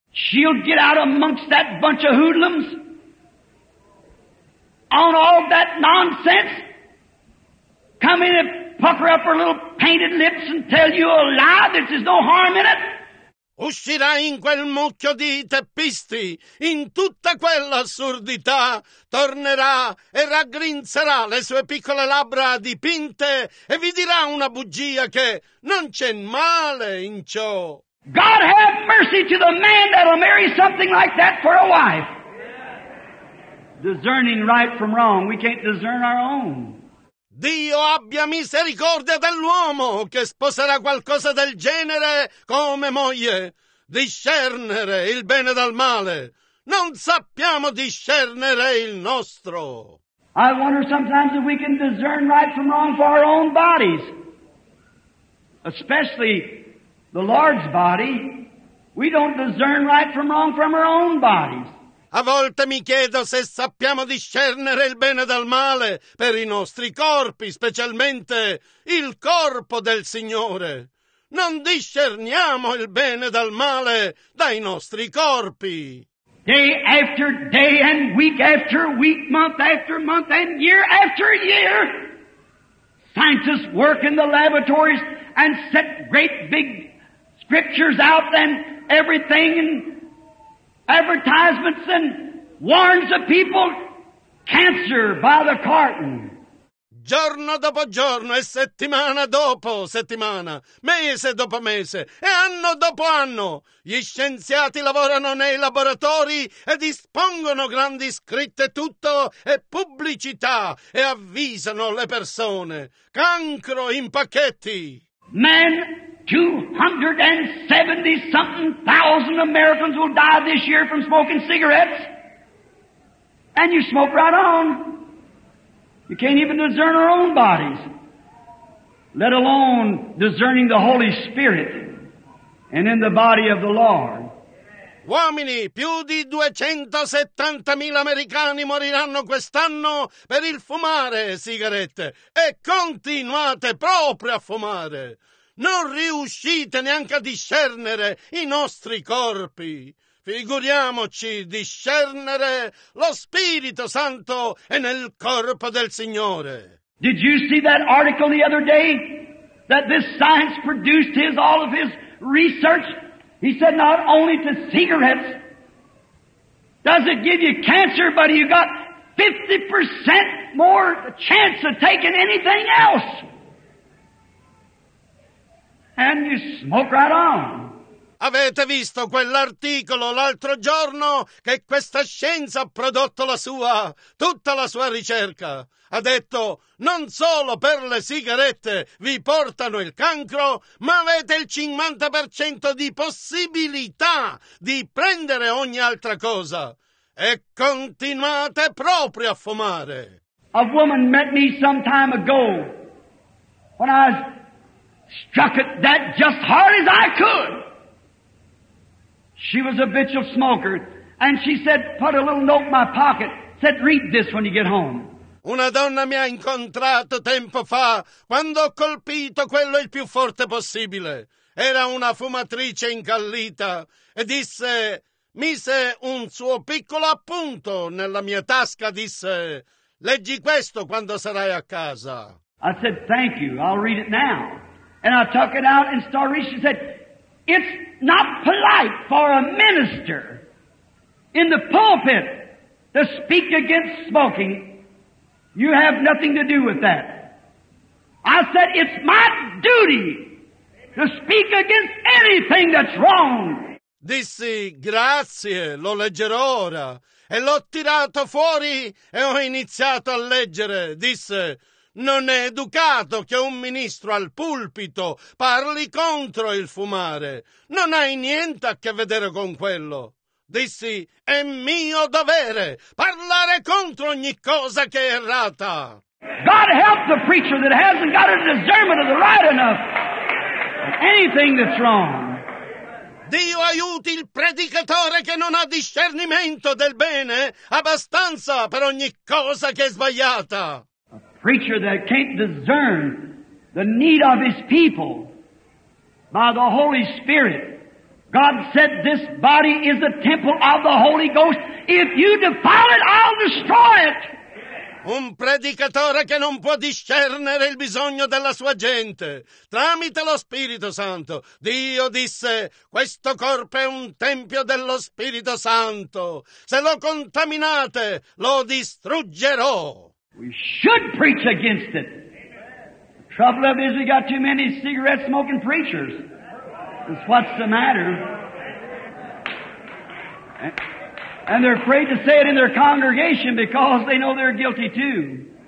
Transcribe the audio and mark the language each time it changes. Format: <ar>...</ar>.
<en>She'll get out amongst that bunch of hoodlums on all that nonsense. Come in and pucker up her little painted lips and tell you a lie that there's no harm in it.</en> <it>Uscirà in quel mucchio di teppisti, in tutta quell'assurdità, tornerà e raggrinzerà le sue piccole labbra dipinte e vi dirà una bugia che non c'è male in ciò.</it> <en>God have mercy to the man that'll marry something like that for a wife. Discerning right from wrong, we can't discern our own.</en> <it>Dio abbia misericordia dell'uomo che sposerà qualcosa del genere come moglie. Discernere il bene dal male. Non sappiamo discernere il nostro.</it> <en>I wonder sometimes if we can discern right from wrong for our own bodies. Especially the Lord's body. We don't discern right from wrong from our own bodies.</en> <it>A volte mi chiedo se sappiamo discernere il bene dal male per i nostri corpi, specialmente il corpo del Signore. Non discerniamo il bene dal male dai nostri corpi.</it> <en>Day after day and week after week, month after month and year after year, scientists work in the laboratories and set great big scriptures out and everything and advertisements and warns the people, cancer by the carton.</en> <it>giorno dopo giorno e settimana dopo settimana, mese dopo mese e anno dopo anno. Gli scienziati lavorano nei laboratori e dispongono grandi scritte tutto e pubblicità e avvisano le persone. Cancro in pacchetti!</it> <en>Man, 270,000 Americans will die this year from smoking cigarettes. And you smoke right on. You can't even discern our own bodies, let alone discerning the Holy Spirit and in the body of the Lord.</en> <it>Uomini, più di 270,000 americani moriranno quest'anno per il fumare sigarette. E continuate proprio a fumare. Non riuscite neanche a discernere i nostri corpi. Figuriamoci discernere lo Spirito Santo e nel corpo del Signore.</it> <en>Did you see that article the other day that this science produced his all of his research? He said not only to cigarettes does it give you cancer, but you got 50% more chance of taking anything else. And you smoke right on.</en> <it>Avete visto quell'articolo l'altro giorno che questa scienza ha prodotto tutta la sua ricerca? Ha detto, non solo per le sigarette vi portano il cancro, ma avete il 50% di possibilità di prendere ogni altra cosa. E continuate proprio a fumare.</it> <en>A woman met me some time ago when I struck it that just hard as I could. She was a habitual smoker, and she said, put a little note in my pocket, said, read this when you get home.</en> <it>Una donna mi ha incontrato tempo fa, quando ho colpito quello il più forte possibile. Era una fumatrice incallita, e disse, mise un suo piccolo appunto nella mia tasca, disse, leggi questo quando sarai a casa.</it> <en>I said, thank you, I'll read it now. And I took it out, and started, she said, it's not polite for a minister in the pulpit to speak against smoking. You have nothing to do with that. I said, it's my duty to speak against anything that's wrong.</en> <it>Dissi, grazie, lo leggerò ora. E l'ho tirato fuori e ho iniziato a leggere. Disse, non è educato che un ministro al pulpito parli contro il fumare. Non hai niente a che vedere con quello. Dissi, è mio dovere parlare contro ogni cosa che è errata.</it> <en>God help the preacher that hasn't got a discernment of the right enough. Anything that's wrong.</en> <it>Dio aiuti il predicatore che non ha discernimento del bene abbastanza per ogni cosa che è sbagliata.</it> <en>Preacher that can't discern the need of his people by the Holy Spirit. God said this body is the temple of the Holy Ghost. If you defile it, I'll destroy it.</en> <it>Un predicatore che non può discernere il bisogno della sua gente. Tramite lo Spirito Santo, Dio disse, questo corpo è un tempio dello Spirito Santo. Se lo contaminate, lo distruggerò.</it> <en>We should preach against it. The trouble of it is we got too many cigarette-smoking preachers. That's what's the matter. And they're afraid to say it in their congregation because they know they're guilty too.</en>